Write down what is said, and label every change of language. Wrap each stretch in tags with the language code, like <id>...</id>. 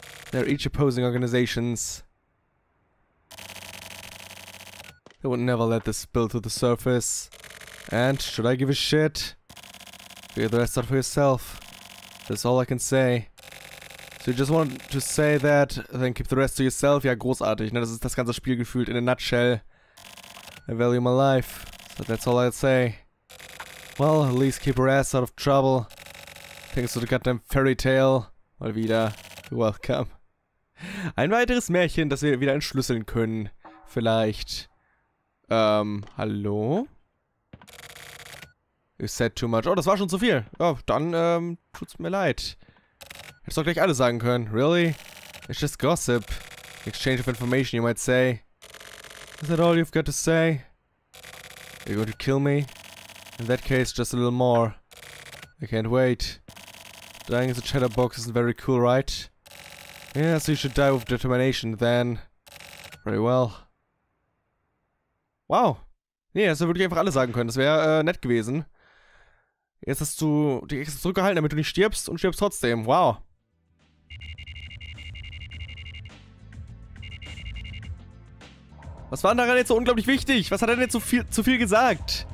<en>They're each opposing organizations. They would never let this spill to the surface. And should I give a shit? Figure the rest out for yourself. That's all I can say. So you just wanted to say that, then keep the rest to yourself?</en> <de>Ja, großartig, ne? Das ist das ganze Spiel gefühlt</de> <en>in a nutshell. I value my life. So that's all I'd say. Well, at least keep her ass out of trouble. Thanks to the goddamn fairy tale.</en> <de>Mal wieder.</de> <en>You're welcome.</en> <de>Ein weiteres Märchen, das wir wieder entschlüsseln können. Vielleicht. Hallo?</de> <en>You said too much.</en> <de>Oh, das war schon zu viel. Ja, dann, tut's mir leid. Hättest doch gleich alles sagen können.</de> <en>Really? It's just gossip. Exchange of information, you might say. Is that all you've got to say? You're going to kill me? In that case, just a little more. I can't wait. Dying as a chatterbox isn't very cool, right? Yeah, so you should die with determination, then. Very well. Wow.</en> <de>Nee, das würde ich einfach alles sagen können. Das wäre nett gewesen. Jetzt hast du dich extra zurückgehalten, damit du nicht stirbst und stirbst trotzdem. Wow. Was war denn daran jetzt so unglaublich wichtig? Was hat er denn jetzt zu viel gesagt?</de>